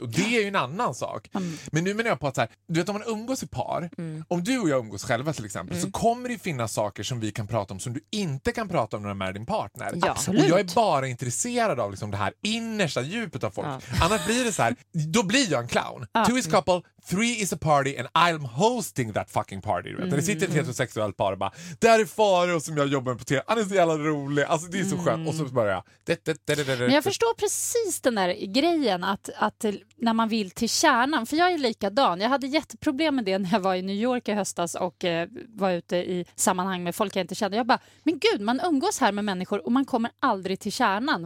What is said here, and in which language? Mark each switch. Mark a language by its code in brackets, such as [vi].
[sv] Och det är ju en annan sak. Men nu menar jag på att så här, du vet, om man umgås i par, om du och jag umgås själva till exempel, så kommer det finnas saker som vi kan prata om som du inte kan prata om när du är med din partner. Ja. Absolut. Och jag är bara intresserad av liksom, det här innersta djupet av folk. Ja. Annars blir det så här, då blir jag en clown. Ja. [en] Two is couple, three is a party, and I'm hosting that fucking party. Right? [sv] Det sitter ett heterosexuellt par och bara, det här är Faro som jag jobbar med på TV. Han är så jävla rolig. Alltså det är så skönt. Och så bara, Men jag förstår precis den där grejen att när man vill till kärnan, för jag är likadan. Jag hade jätteproblem med det när jag var i New York i höstas och var ute i sammanhang med folk jag inte kände. Jag bara, men gud, man umgås här med människor och man kommer aldrig till kärnan.